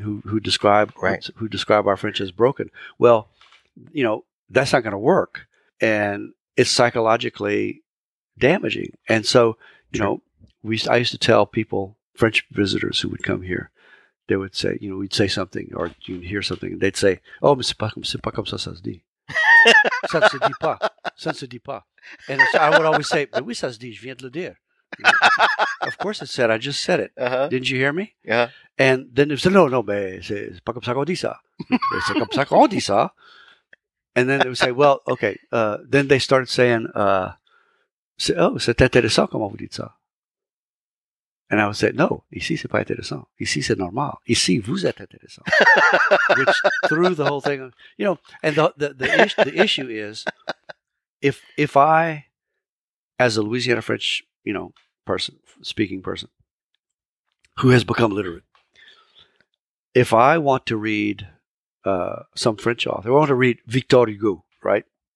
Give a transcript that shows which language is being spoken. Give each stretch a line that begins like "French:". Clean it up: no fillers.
English: Who describe our French as broken. Well, you know, that's not going to work, and it's psychologically damaging. And so, I used to tell people, French visitors who would come here, they would say, you know, we'd say something or you'd hear something, and they'd say,
French: "Oh, mais c'est pas comme ça, ça se dit." Ça se dit pas. Ça se dit pas.
English: And so I would always say,
French: "Mais oui, ça se dit. Je viens de le dire."
English: Of course it said. I just said it. Uh-huh. Didn't you hear me? Yeah. And then they said, no,
French: mais c'est pas comme ça qu'on dit ça. C'est comme ça qu'on dit ça.
English: And then they would say, well, okay. Then they started saying,
French: c'est intéressant comment vous dites ça.
English: And I would say, no,
French: ici c'est pas intéressant. Ici c'est normal. Ici vous êtes intéressant.
English: Which threw the whole thing. You know, and the issue is, if I, as a Louisiana French, you know, person, speaking person, who has become literate, if I want to read some French author, I want to read Victor Hugo, right?